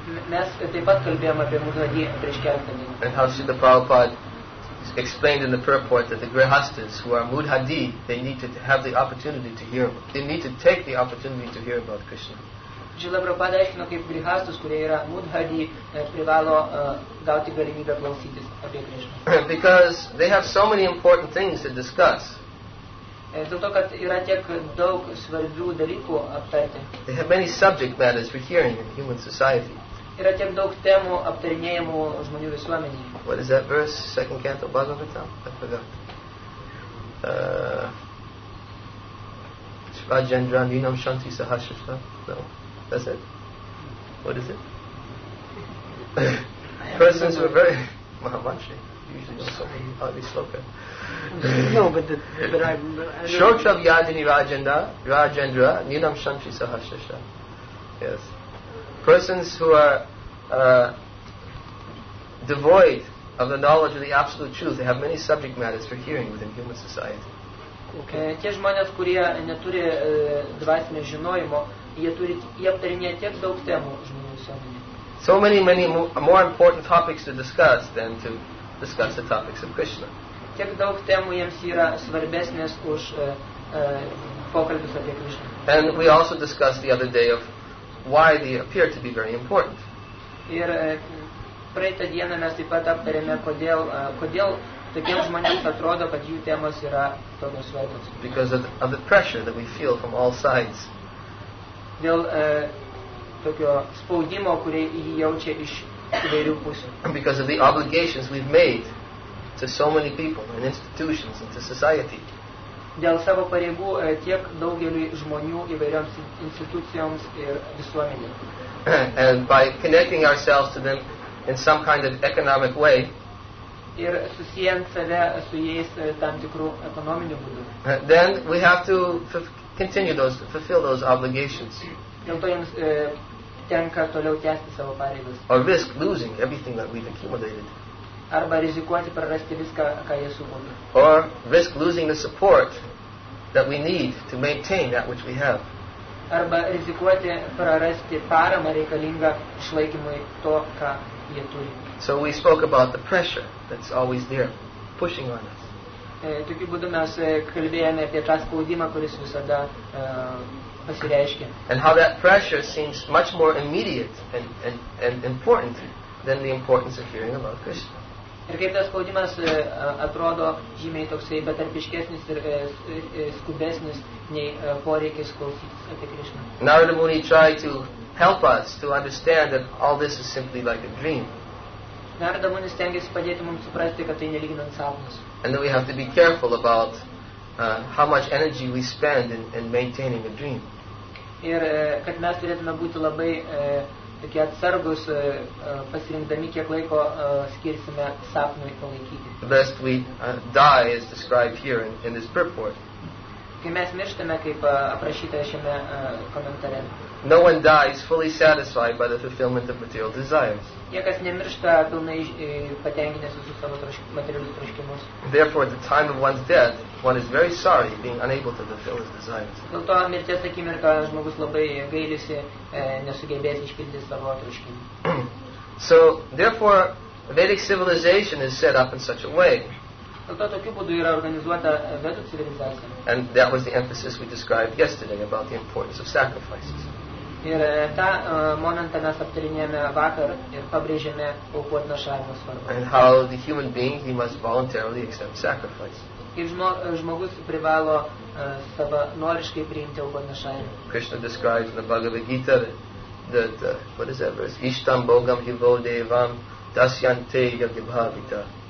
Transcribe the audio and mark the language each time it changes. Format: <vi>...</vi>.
<lt>Mes taip pat kalbėjom apie mudhadi prieš keletą dienų.</lt> <en>And how Srila Prabhupada explained in the purport that the grihasthas who are mudhadi, they need to have the opportunity to hear, they need to take the opportunity to hear about Krishna.</en> <lt>Srila Prabhupada aiškino, kaip grihasthas, kurie yra mudhadi, privalo gauti galimybę klausytis apie Krishna.</lt> <en>Because they have so many important things to discuss.</en> <lt>Dėl to, kad yra tiek daug svarbių dalykų aptarti.</lt> <en>They have many subject matters for hearing in human society.</en> <lt>Yra tiek daug temų aptarinėjimų žmonių visuomenėje.</lt> <en>What is that verse? Second canto, Bhagavatam? I forgot.</en> <sa>Shvajendran Dinam Shanti Sahashita?</sa> <en>No. That's it? What is it? Persons who are very Mahamantri. Usually not so hardly sloka. No, but I</en> <sa>Shrotra Vyajani Rajendra Rajendra Ninam Shanti Sahashita.</sa> <en>Yes. Persons who are devoid of the knowledge of the absolute truth, they have many subject matters for hearing within human society. Okay.</en> <lt>Tie žmonės, kurie neturi dvasinio žinojimo, jie aptarinėja tiek daug temų žmonių visuomenėje.</lt> <en>So many more important topics to discuss than to discuss the topics of Krishna.</en> <lt>Tiek daug temų jiems yra svarbesnės už pokalbius apie Krishna.</lt> <en>And we also discussed the other day of why they appear to be very important.</en> <lt>Ir praeitą dieną mes taip pat aptarėme, kodėl tokiems žmonėms atrodo, kad jų temos yra tokios svarbios.</lt> <en>Because of the pressure that we feel from all sides.</en> <lt>Dėl tokio spaudimo, kurį jį jaučia iš įvairių pusių.</lt> <en>Because of the obligations we've made to so many people and institutions and to society.</en> <lt>Dėl savo pareigų tiek daugeliui žmonių įvairioms institucijoms ir visuomenėms.</lt> <en>And by connecting ourselves to them in some kind of economic way,</en> <lt>ir susijęs save su jais tam tikru ekonominiu būdu,</lt> <en>then we have to continue those, fulfill those obligations.</en> <lt>Dėl to jums tenka toliau tęsti savo pareigas.</lt> <en>Or risk losing everything that we've accumulated.</en> <lt>Arba rizikuoti prarasti viską, ką jie sukaupė.</lt> <en>Or risk losing the support that we need to maintain that which we have.</en> <lt>Arba rizikuoti prarasti paramą reikalingą išlaikymui to, ką jie turi.</lt> <en>So we spoke about the pressure that's always there, pushing on us.</en> <lt>Tokiu būdu mes kalbėjome apie tą spaudimą, kuris visada pasireiškia.</lt> <en>And how that pressure seems much more immediate and important than the importance of hearing about Krishna.</en> <lt>Ir kaip tas spaudimas atrodo žymiai toksai betarpiškesnis ir skubesnis nei poreikis klausytis apie Krishna.</lt> <en>Narada Muni tried to help us to understand that all this is simply like a dream.</en> <lt>Narada Muni stengiasi padėti mums suprasti, kad tai nelyginant sapnas.</lt> <en>And that we have to be careful about how much energy we spend in maintaining a dream.</en> <lt>Ir kad mes turėtume būti labai tokie atsargus pasirinkdami, kiek laiko skirsime sapnui palaikyti.</lt> <en>Lest we die, as described here in this purport.</en> <lt>mes mirštame, kaip aprašyta šiame komentare.</lt> <en>No one dies fully satisfied by the fulfillment of material desires.</en> <lt>Niekas nemiršta pilnai patenkinęs visus savo materialius troškimus.</lt> <en>Therefore, at the time of one's death, one is very sorry being unable to fulfill his desires.</en> <lt>Dėl to mirties akimirką žmogus labai gailisi nesugebėjęs išpildyti savo troškimų.</lt> <en>So, therefore, Vedic civilization is set up in such a way. And that was the emphasis we described yesterday about the importance of sacrifices.</en> <lt>Ir tą momentą mes aptarinėjome vakar ir pabrėžėme aukų atnašavimo svarbą.</lt> <en>And how the human being, he must voluntarily accept sacrifice.</en> <lt>Ir žmogus privalo savo noriškai priimti aukų atnašavimą.</lt> <en>Krishna describes in the Bhagavad Gita that what is that verse?</en> <sa>Ishtam bogam hivo devam dasyante yagibhavita.</sa>